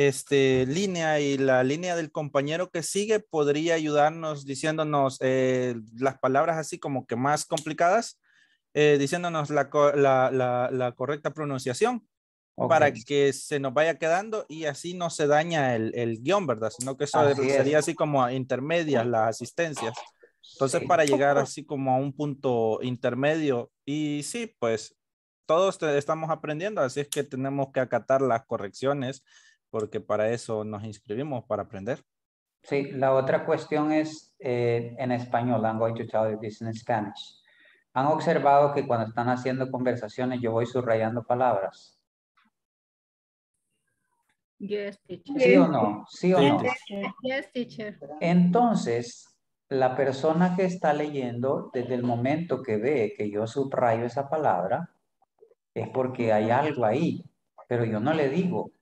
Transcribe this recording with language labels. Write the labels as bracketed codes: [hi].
[es] línea y la línea del compañero que sigue podría ayudarnos diciéndonos las palabras así como que más complicadas, diciéndonos la correcta pronunciación, okay, para que se nos vaya quedando y así no se daña el guión, ¿verdad? Sino que eso así sería, es así como intermedias las asistencias. Entonces, sí, para llegar así como a un punto intermedio, y sí, pues todos estamos aprendiendo, así es que tenemos que acatar las correcciones, porque para eso nos inscribimos, para aprender. Sí, la otra cuestión es en español. [en] I'm going to tell you this in Spanish. [es] ¿Han observado que cuando están haciendo conversaciones yo voy subrayando palabras? [en] Yes, teacher. [es] ¿Sí o no? ¿Sí o no? [en] Yes, teacher. [es] Entonces, la persona que está leyendo, desde el momento que ve que yo subrayo esa palabra, es porque hay algo ahí, pero yo no le digo.